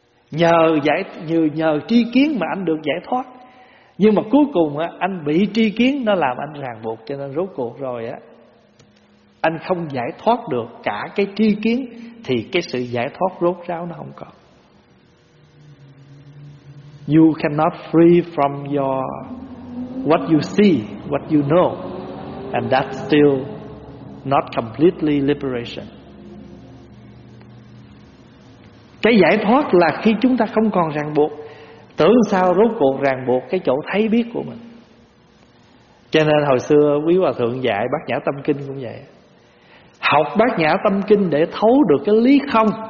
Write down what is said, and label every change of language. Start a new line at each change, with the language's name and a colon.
Vietnamese: Nhờ tri kiến mà anh được giải thoát. Nhưng mà cuối cùng á, anh bị tri kiến nó làm anh ràng buộc, cho nên rốt cuộc rồi á, anh không giải thoát được cả cái tri kiến thì cái sự giải thoát rốt ráo nó không còn.
English: You cannot free from your what you see, what you know, and that's still not completely liberation.
Vietnamese: Cái giải thoát là khi chúng ta không còn ràng buộc. Tưởng sao rốt cuộc ràng buộc cái chỗ thấy biết của mình. Cho nên hồi xưa quý hòa thượng dạy Bát Nhã Tâm Kinh cũng vậy. Học Bát Nhã Tâm Kinh để thấu được cái lý không.